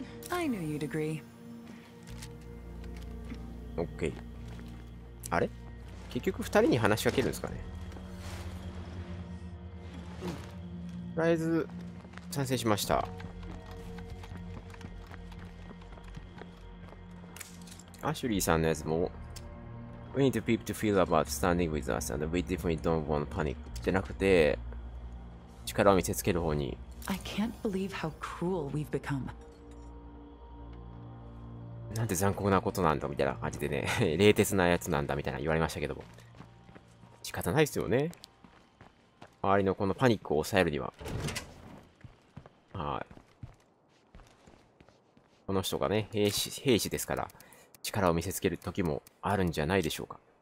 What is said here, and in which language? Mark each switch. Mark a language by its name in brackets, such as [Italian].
[English] I knew you'd agree. OK。 [Japanese] あれ、結局二人に話しかけるんですかね。とりあえず賛成しました。アシュリーさんのやつも [English] We need people to feel about standing with us and we definitely don't want panic [Japanese] じゃなくて力を見せつける方に。 [English] I can't believe how cruel we've become. [Japanese] なんて残酷なことなんだみたいな感じでね冷徹なやつなんだみたいな言われましたけども、仕方ないですよね、周りのこのパニックを抑えるには。はい、この人がね兵士ですから力を見せつける時もあるんじゃないでしょうか。